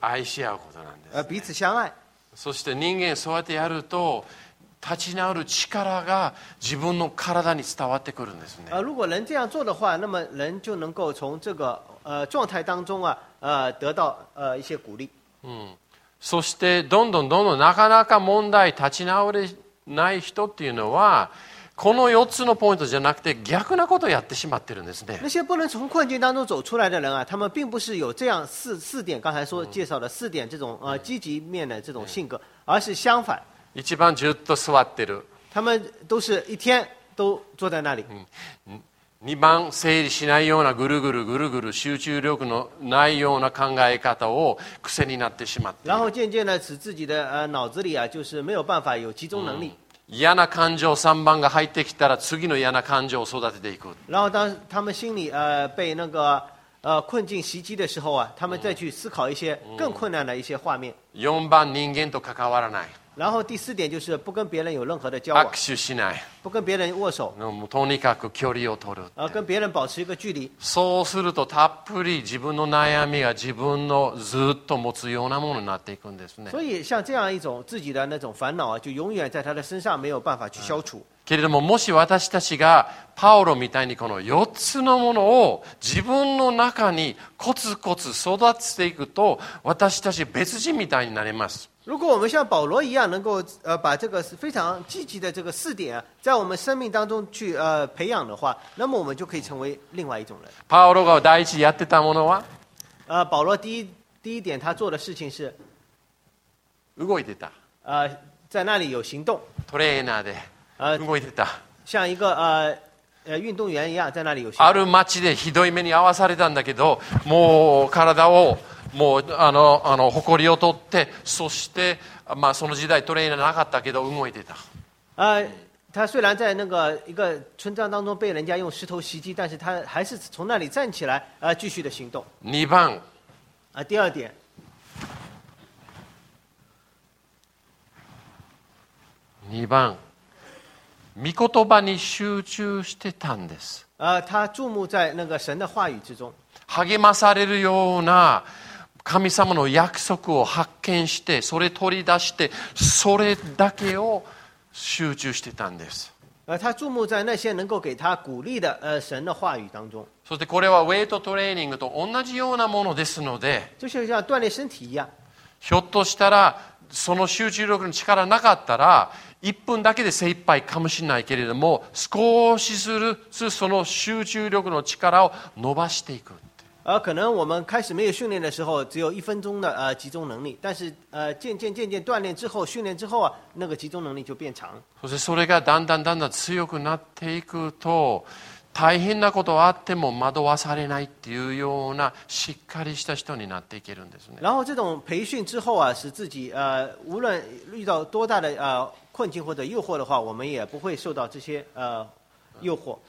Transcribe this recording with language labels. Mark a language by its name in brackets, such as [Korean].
[Japanese] 愛し合うことなんです、ね。 [Chinese] 彼此相爱。 [Japanese] そして人間そうやってやると。立ち直る力が自分の体に伝わってくるんですね。 [Chinese] 如果人这样做的话，那么人就能够从这个状态当中啊，得到一些鼓励。 [Japanese] そしてどんどんどんどんなかなか問題立ち直れない人っていうのは、この4つのポイントじゃなくて逆なことをやってしまってるんですね。 [Chinese] 那些不能从困境当中走出来的人啊，他们并不是有这样四点刚才说介绍的四点这种积极面的这种性格，而是相反。 [Japanese] 一番ずっと座ってる。 [Chinese] 他们都是一天都坐在那里。 [Japanese] 二番整理しないようなぐるぐるぐるぐる集中力のないような考え方を癖になってしまって。 [Chinese] 然后渐渐的使自己的脑子里啊，就是没有办法有集中能力。 [Japanese] 嫌な感情三番が入ってきたら次の嫌な感情を育てていく。 [Chinese] 然后当他们心里被那个困境袭击的时候啊，他们再去思考一些更困难的一些画面。 [Japanese] 四番、人間と関わらない。 [Chinese] 然后第四点就是不跟别人有任何的交往。 [Japanese] 握手しない。 [Chinese] 不跟别人握手。 [Japanese] もうとにかく距離を取る。 [Chinese] 跟别人保持一个距离。 [Japanese] そうするとたっぷり自分の悩みが自分のずっと持つようなものになっていくんですね。 [Chinese] 所以像这样一种自己的那种烦恼啊，就永远在他的身上没有办法去消除。 [Japanese] けれどももし私たちがパオロみたいにこの4つのものを自分の中にコツコツ育てていくと私たち別人みたいになれます。 [Chinese] 如果我们像保罗一样能够把这个非常积极的这个四点在我们生命当中去培养的话，那么我们就可以成为另外一种人。 [Japanese] パオロが第一やってたものは [Chinese] 保罗第一点他做的事情是 [Japanese] 動いてた。 [Chinese] 在那里有行动。 [Japanese] トレーナーで動いてた。 [Chinese] 像一个运动员一样在那里有行动。 [Japanese] ある町でひどい目に遭わされたんだけど、もう体をもうあの誇りを取って、そしてまあその時代トレーナーなかったけど動いてた。 [Chinese] 他虽然在那个一个村庄当中被人家用石头袭击，但是他还是从那里站起来，继续的行动。 [Japanese] 二番。 [Chinese] 第二点。 [Japanese] 二番。御言葉に集中してたんです。 [Chinese] 他注目在那个神的话语之中。 [Japanese] 励まされるような神様の約束を発見して、それ取り出して、それだけを集中してたんです。 [Chinese] 他注目在那些能够给他鼓励的神的话语当中。 [Japanese] そしてこれはウェイトトレーニングと同じようなものですので、 [Chinese] 就像锻炼身体一样。 [Japanese] ひょっとしたらその集中力の力なかったら1分だけで精一杯かもしれないけれども、少しずつその集中力の力を伸ばしていく。 [Chinese] 可能我们开始没有训练的时候只有一分钟的集中能力，但是渐渐锻炼之后，训练之后啊，那个集中能力就变长。 [Japanese] そしてそれがだんだんだんだん強くなっていくと、大変なことあっても惑わされないっていうようなしっかりした人になっていけるんですね。 [Chinese] 然后这种培训之后啊，使自己无论遇到多大的困境或者诱惑的话，我们也不会受到这些诱惑。